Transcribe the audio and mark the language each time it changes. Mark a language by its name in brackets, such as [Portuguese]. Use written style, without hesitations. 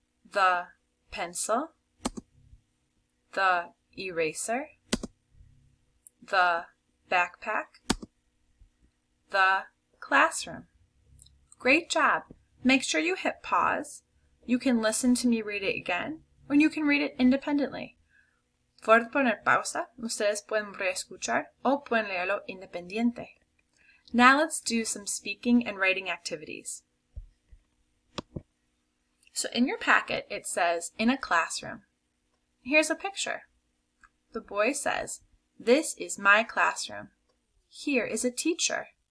[English] The pencil. The eraser. The backpack. The classroom. Great job. Make sure you hit pause. You can listen to me read it again, or you can read it independently. [Spanish] Puede poner pausa, ustedes pueden reescuchar o pueden leerlo independiente. [English] Now let's do some speaking and writing activities. So in your packet, it says, in a classroom. Here's a picture. The boy says, this is my classroom. Here is a teacher.